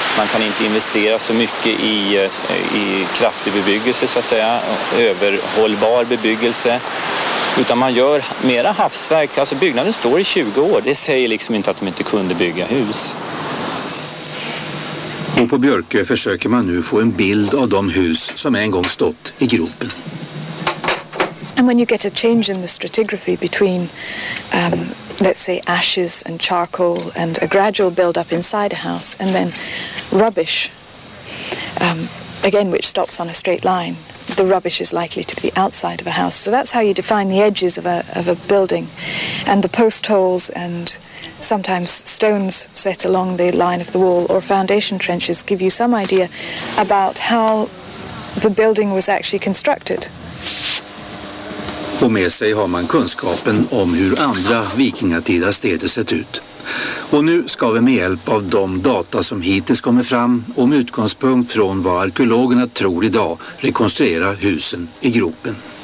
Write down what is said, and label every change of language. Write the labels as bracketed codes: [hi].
[sv] Man kan inte investera så mycket i kraftig bebyggelse, så att säga, överhållbar bebyggelse. Utan man gör mera havsverk. Alltså byggnaden står i 20 år. Det säger liksom inte att de inte kunde bygga hus. Och på Björkö försöker man nu få en bild av de hus som en gång stått i gropen. [en] And when you get a change in the stratigraphy between, let's say, ashes and charcoal and a gradual build-up inside a house and then rubbish, again, which stops on a straight line, the rubbish is likely to be outside of a house. So that's how you define the edges of a building and the post holes and sometimes stones set along the line of the wall or foundation trenches give you some idea about how the building was actually constructed. [sv] Och med sig har man kunskapen om hur andra vikingatida städer sett ut. Och nu ska vi med hjälp av de data som hittills kommer fram och med utgångspunkt från vad arkeologerna tror idag rekonstruera husen i gropen.